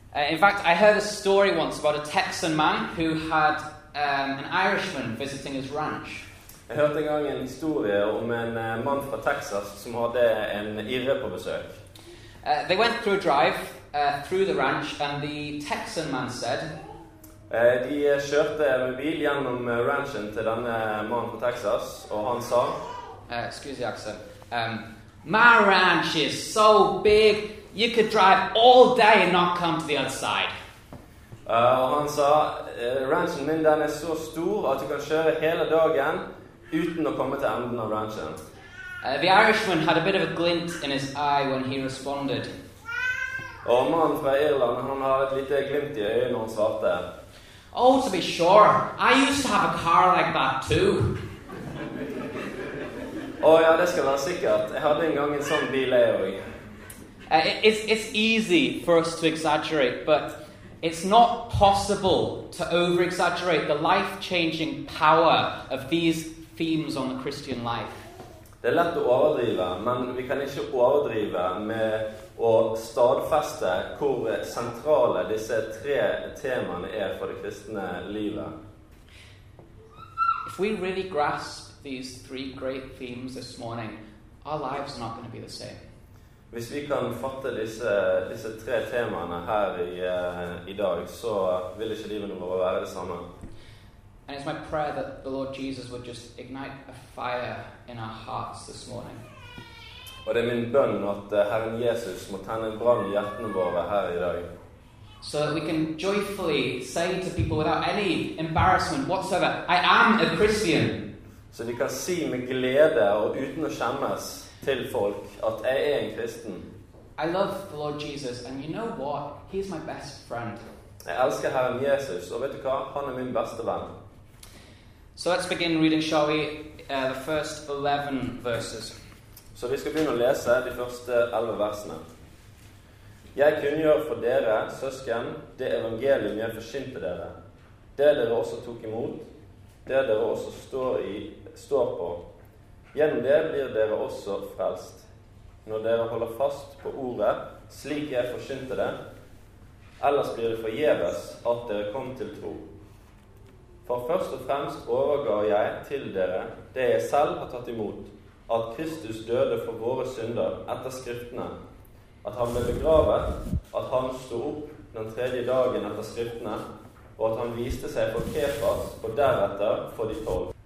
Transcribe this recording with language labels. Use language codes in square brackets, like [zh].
[en] In fact, I heard a story once about a Texan man who had an Irishman visiting his ranch. [sv] Jag hörde en gång en historia om en man från Texas som hade en irre på besök. [en] They went through a drive through the ranch, and the Texan man said. [sv] De körde med bil genom ranchen till den man från Texas, och han sa. [en] Excuse the accent. My ranch is so big. You could drive all day and not come to the other side. [sv] Och han sa, ranchen min den är så stor att du kan köra hela dagen utan att komma till änden av ranchen. [en] The Irishman had a bit of a glint in his eye when he responded. [sv] Och man från Irland, han har ett litet glimt i ögonen när han svarte. [en] Oh, to be sure. I used to have a car like that too. [sv] Åh ja, det ska vara säkert. Jag hade en gång en sån bil också. [en] It's easy for us to exaggerate, but it's not possible to over-exaggerate the life-changing power of these themes on the Christian life. [sv] Det är lätt att överdriva, men vi kan inte överdriva med att stadfästa hur centrala dessa tre teman är för det kristna livet. [en] If we really grasp these three great themes this morning, our lives are not going to be the same. [no] Hvis vi kan fatte disse tre temaene her i dag, så vil ikke livet vårt være det samme. [en] And it's my prayer that the Lord Jesus would just ignite a fire in our hearts this morning. [no] Og det er min bønn at Herren Jesus må tenne en brann i hjertene våre her i dag. [en] So that we can joyfully say to people without any embarrassment whatsoever, I am a Christian. [no] Så de kan si med glede og uten å skjemmes till folk [sv] att jag är en kristen. [en] I love the Lord Jesus, and you know what? He is my best friend. [sv] Jag älskar Herren Jesus, och vet du vad? Han är min bästa vän. [en] So let's begin reading, shall we, the first 11 verses. [sv] Så vi ska börja läsa de första 11 verserna. [no] Jag kunngör för dere, søsken, det evangelium jag forkynte dere. Det dere också tog emot, det dere också står på. Gjennom det blir dere også frelst, når dere holder fast på ordet, slik jeg forkynte det. Ellers blir det forgjeves at dere kom til tro. For først og fremst overgav jeg til dere det jeg selv har tatt imot, at Kristus døde for våre synder etter skriftene, at han ble begravet, at han stod opp den tredje dagen etter skriftene, og at han viste seg for Kefas og deretter for de tolv.